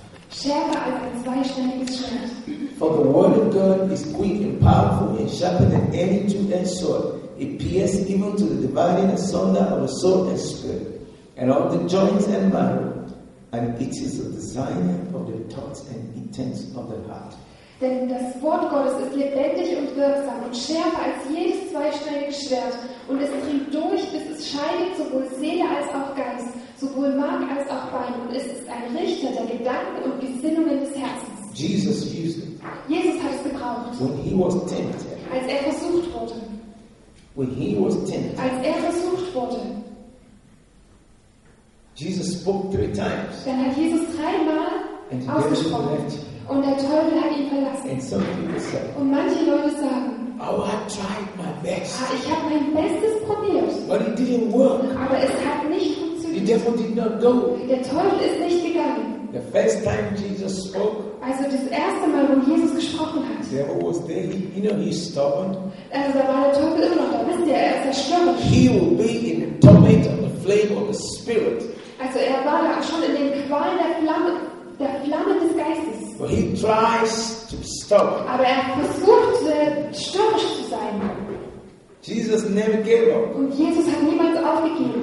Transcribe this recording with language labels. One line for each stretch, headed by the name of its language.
German: Schärfer als ein zweischneidiges Schwert.
English: For the word of God is quick and powerful and sharper than any two-edged sword. It pierces even to the dividing asunder of the soul and spirit, and of the joints and marrow, and it is the designer of the thoughts and intents of the heart.
German: Denn das Wort Gottes ist lebendig und wirksam und schärfer als jedes zweischneidige Schwert, und es dringt durch, bis es scheidet sowohl Seele als auch Geist, sowohl Mark als auch Bein, und es ist ein Richter der Gedanken und Gesinnungen des Herzens.
English: Jesus used it.
German: Jesus hat es gebraucht.
English: When he was tempted.
German: Als er versucht wurde.
English: When he was tempted.
German: Als er versucht wurde.
English: Jesus spoke three times.
German: Dann hat Jesus dreimal ausgesprochen. Und der Teufel hat ihn verlassen.
English: And some people say,
German: und manche Leute sagen,
English: oh, I tried my best.
German: Ah, ich habe mein Bestes probiert.
English: But it didn't work.
German: Aber es hat nicht funktioniert.
English: The devil did not go.
German: Der Teufel ist nicht gegangen.
English: The first time Jesus spoke,
German: also das erste Mal, wo Jesus gesprochen hat,
English: the devil was there. You know, he's stubborn.
German: Also da war der Teufel immer noch da. Wisst ihr, er ist erstarrt.
English: He will be in the torment of the flame of the spirit.
German: Also er war da schon in den Qualen der Flamme des Geistes.
English: But he tries to be stubborn.
German: Aber er versucht, stürmisch zu sein.
English: Jesus never gave up.
German: Und Jesus hat niemals aufgegeben.